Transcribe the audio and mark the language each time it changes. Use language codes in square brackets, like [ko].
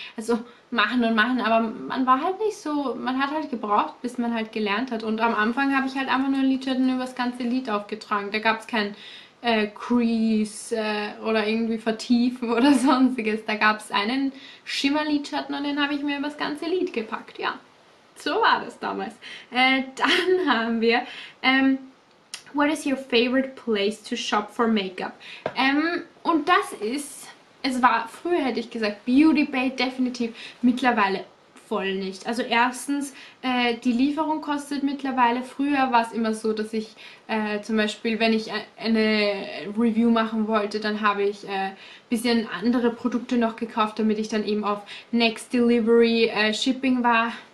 [de] Also machen und machen, aber man war halt nicht so, man hat halt gebraucht, bis man halt gelernt hat. Und am Anfang habe ich halt einfach nur Lidschatten über das ganze Lid aufgetragen. Da gab es kein Crease oder irgendwie Vertiefen oder sonstiges. Da gab es einen Schimmer-Lidschatten und den habe ich mir über das ganze Lid gepackt. Ja, so war das damals. Dann haben wir, [en] what is your favorite place to shop for makeup? [de] Und das ist, es war, früher hätte ich gesagt, Beauty Bay definitiv, mittlerweile voll nicht. Also erstens, die Lieferung kostet mittlerweile. Früher war es immer so, dass ich zum Beispiel, wenn ich eine Review machen wollte, dann habe ich ein bisschen andere Produkte noch gekauft, damit ich dann eben auf Next Delivery Shipping war.